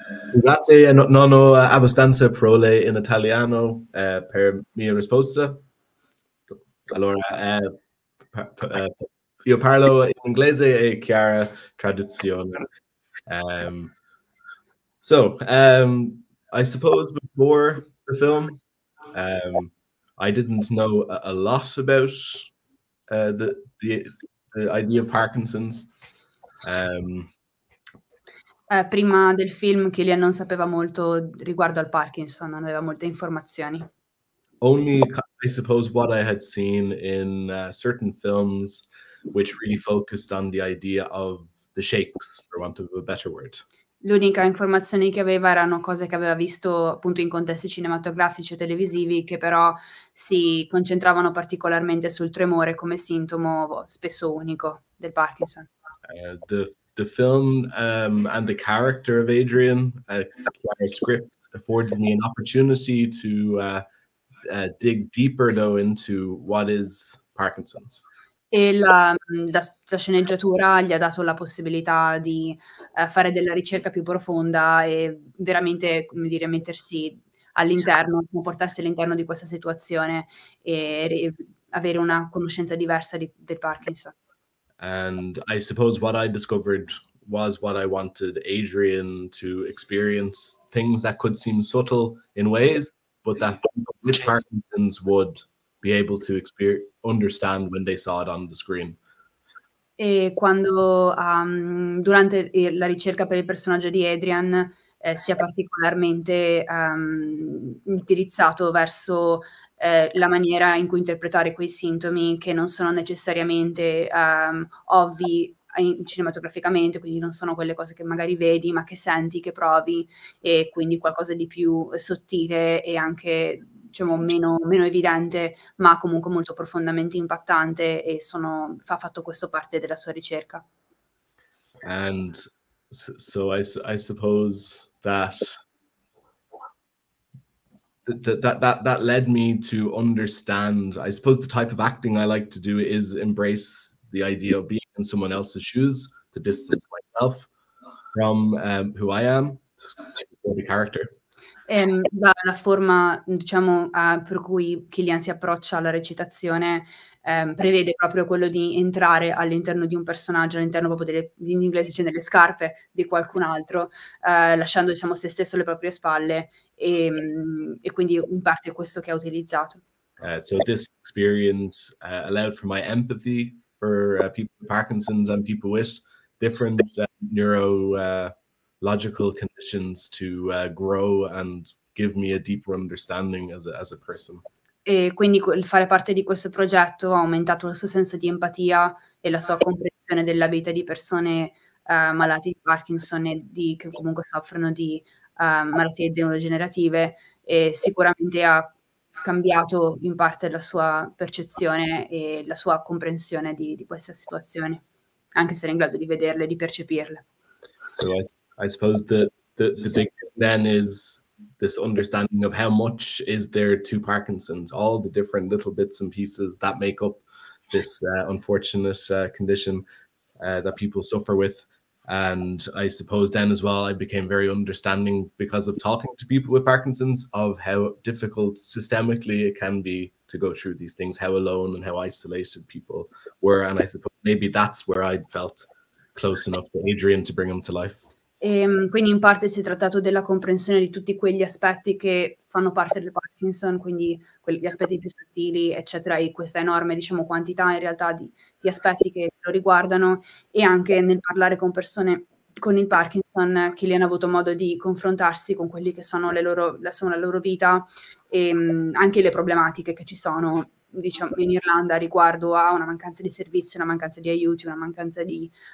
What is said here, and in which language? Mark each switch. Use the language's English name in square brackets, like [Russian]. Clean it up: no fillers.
[Italian] Scusate, non ho abbastanza parole in italiano per mia risposta. Allora, io parlo in inglese e chiara traduzione. [English] I suppose before the film, I didn't know a lot about the idea of Parkinson's. [Italian] Prima del film, Killian non sapeva molto riguardo al Parkinson, non aveva molte informazioni. [English] Only, I suppose, what I had seen in certain films which really focused on the idea of the shakes, for want of a better word. [Italian] L'unica informazione che aveva erano cose che aveva visto appunto in contesti cinematografici e televisivi, che però si concentravano particolarmente sul tremore come sintomo spesso unico del Parkinson. [English] The film and the character of Adrian, the script afforded me an opportunity to dig deeper though into what is Parkinson's. [Italian] E la sceneggiatura gli ha dato la possibilità di fare della ricerca più profonda e veramente, come dire, mettersi all'interno, portarsi all'interno di questa situazione e avere una conoscenza diversa del Parkinson. [English] And I suppose what I discovered was what I wanted Adrian to experience, things that could seem subtle in ways, but that which Parkinson's would be able to experience, understand when they saw it on the screen. [Italian] E quando durante la ricerca per il personaggio di Adrian sia particolarmente indirizzato verso la maniera in cui interpretare quei sintomi che non sono necessariamente ovvi cinematograficamente, quindi non sono quelle cose che magari vedi ma che senti, che provi, e quindi qualcosa di più sottile e anche, diciamo, meno evidente, ma comunque molto profondamente impattante, e ha fatto questo parte della sua ricerca. [English] And so I suppose that led me to understand, I suppose the type of acting I like to do is embrace the idea of being in someone else's shoes, to distance myself from who I am, the character. [Italian] La forma, diciamo, per cui Killian si approccia alla recitazione prevede proprio quello di entrare all'interno di un personaggio, all'interno proprio delle, in inglese dice, nelle scarpe di qualcun altro, lasciando, diciamo, se stesso alle proprie spalle, e quindi in parte è questo che ha utilizzato. [English] So this experience allowed for my empathy for people with Parkinson's and people with different neurological conditions to grow and give me a deeper understanding as a person. [Italian] E quindi il fare parte di questo progetto ha aumentato il suo senso di empatia e la sua comprensione della vita di persone malate di Parkinson e di che comunque soffrono di malattie degenerative, e sicuramente ha cambiato in parte la sua percezione e la sua comprensione di questa situazione, anche se è in grado di vederle, di percepirle. [English] So I suppose the big then is this understanding of how much is there to Parkinson's, all the different little bits and pieces that make up this unfortunate condition that people suffer with. And I suppose then as well, I became very understanding because of talking to people with Parkinson's of how difficult systemically it can be to go through these things, how alone and how isolated people were. And I suppose maybe that's where I felt close enough to Adrian to bring him to life. [Italian] Quindi in parte si è trattato della comprensione di tutti quegli aspetti che fanno parte del Parkinson, quindi gli aspetti più sottili, eccetera, e questa enorme, diciamo, quantità in realtà di aspetti che lo riguardano, e anche nel parlare con persone con il Parkinson che li hanno avuto modo di confrontarsi con quelli che sono la loro vita, e anche le problematiche che ci sono, diciamo, in Irlanda riguardo a una mancanza di servizi, una mancanza di aiuti, una mancanza di